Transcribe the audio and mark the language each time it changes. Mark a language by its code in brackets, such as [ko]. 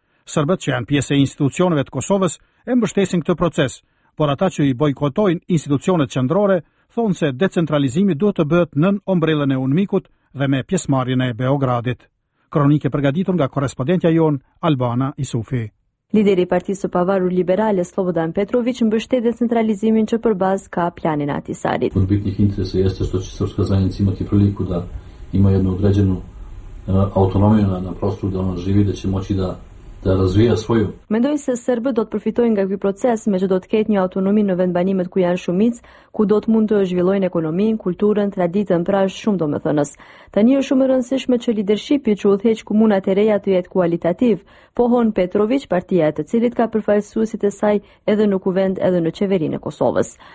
[sq] Sërbët që janë pjesë e institucioneve të Kosovës e mbështesin këtë proces, por ata që i bojkotojnë institucionet qendrore thonë se decentralizimi duhet të bëhet nën ombrellën e UNMIK-ut dhe me pjesëmarrjen e Beogradit. Kronike përgatitur nga korrespondentja jonë Albana Isufi. Lideri i Partisë së Pavarur Liberale Slobodan Petrović mbështet decentralizimin që përbaz ka planin Atisarit. Po bëhet një interes se është ato që [sr] srpska zajednica ima ti priliku da ima jednu određenu autonomiju na prostoru da ona živi da će moći da razvija svoju. [sq] Mendoj se serbët do të përfitojnë nga ky proces, me që do të ketë një autonomi në vendbanimet ku janë shumicë, ku do të mund të zhvillojnë ekonominë, kulturën, traditën, pra shumë domethënës. Tani është shumë e rëndësishme që leadershipi që udhëheq komunat e reja të jetë kualitativ, pohon Petrović, partia e të cilit ka përfaqësuesit e saj edhe në kuvend edhe në qeverinë e Kosovës.